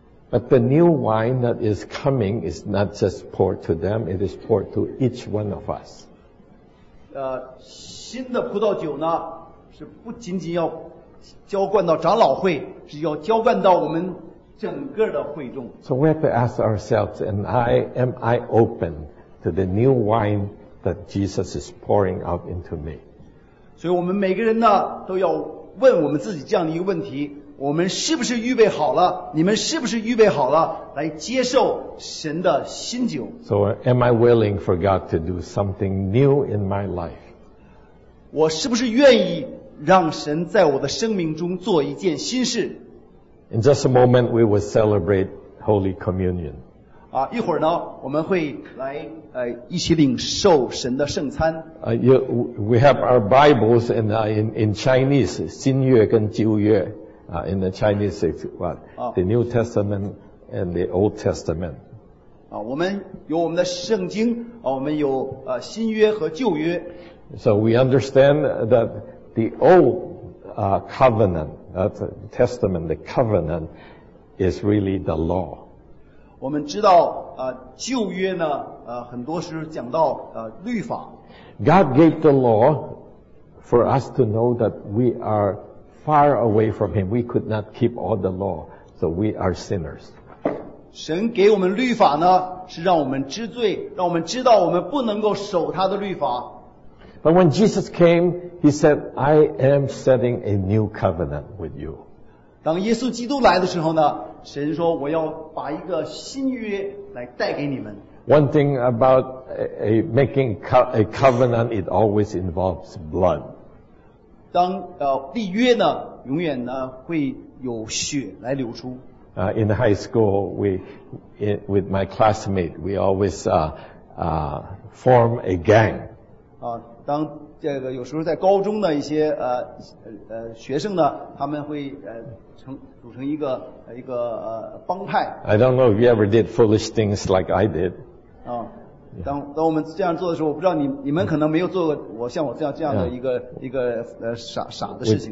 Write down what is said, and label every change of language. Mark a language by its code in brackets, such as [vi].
[en] But the new wine that is coming is not just poured to them; it is poured to each one of us. [zh] 新的葡萄酒呢是不仅仅要浇灌到长老会，是要浇灌到我们整个的会众。 [en] So we have to ask ourselves, and am I open to the new wine that Jesus is pouring out into me? [zh] 所以我们每个人呢都要问我们自己这样的一个问题。我们是不是预备好了？你们是不是预备好了来接受神的新酒 [en] ？So am I willing for God to do something new in my life？ [zh] 我是不是愿意让神在我的生命中做一件新事 [en] ？In just a moment, we will celebrate Holy Communion. [zh] 啊，一会儿呢，我们会来一起领受神的圣餐。 [en] We have our Bibles in Chinese, [zh] 新约跟旧约。 [en] In the Chinese, it's what? The New Testament and the Old Testament. [zh] 我们有我们的圣经，我们有新约和旧约。 [en] So we understand that the old covenant, that's the testament, the covenant is really the law. [zh] 我们知道旧约呢很多时候讲到律法。 [en] God gave the law for us to know that we are far away from him. We could not keep all the law. So we are sinners. [zh] 神给我们律法呢是让我们知罪，让我们知道我们不能够守他的律法。 [en] But when Jesus came, he said, I am setting a new covenant with you. [zh] 当耶稣基督来的时候呢，神说我要把一个新约来带给你们。 [en] One thing about making a covenant, it always involves blood. [zh] 当立约呢，永远呢会有血来流出。 [en] In high school, with my classmate, we always form a gang. [zh] 当这个有时候在高中的一些学生呢，他们会组成一个帮派。 [en] I don't know if you ever did foolish things like I did. [zh] 当我们这样做的时候，我不知道你们可能没有做过我像我这样的一个傻的事情。